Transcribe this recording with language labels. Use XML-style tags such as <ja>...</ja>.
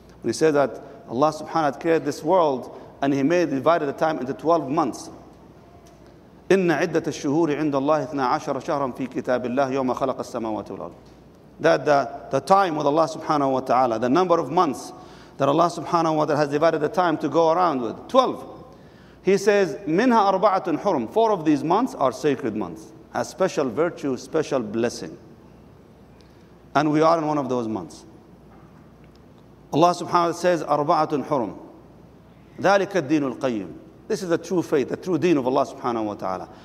<en>When he said that Allah subhanahu wa ta'ala created this world and he made divided the time into 12 months.</en> <ar>إِنَّ عِدَّةَ الشُّهُورِ عِنْدَ اللَّهِ 12 شَهْرًا فِي كِتَابِ اللَّهِ يَوْمَ خَلَقَ السَّمَاوَاتِ وَالْأَرْضِ.</ar> <en>That the time with Allah subhanahu wa ta'ala, the number of months that Allah subhanahu wa ta'ala has divided the time to go around with, 12. He says,</en> <ar>مِنْهَا أَرْبَعَةٌ حُرُمْ.</ar> <en>Four of these months are sacred months, a special virtue, special blessing. And we are in one of those months. Allah subhanahu wa ta'ala says, أَرْبَعَةٌ حُرُمْ. ذَلِكَ الدِّينُ الْقَيِّمُ. This is the true faith, the true deen of Allah subhanahu wa ta'ala.</en>